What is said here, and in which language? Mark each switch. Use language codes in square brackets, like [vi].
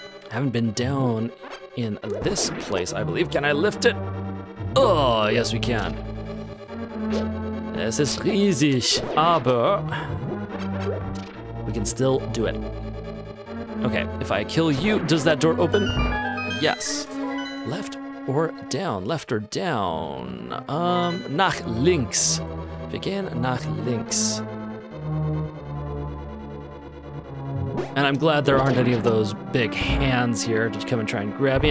[en] I haven't been down in this place, I believe. Can I lift it? Oh, yes, we can. [de] Es ist riesig, aber [en] we can still do it. Okay, if I kill you, does that door open? Yes. Left or down? Left or down? [de] Nach links. Begin nach links. [en] And I'm glad there aren't any of those big hands here to come and try and grab me.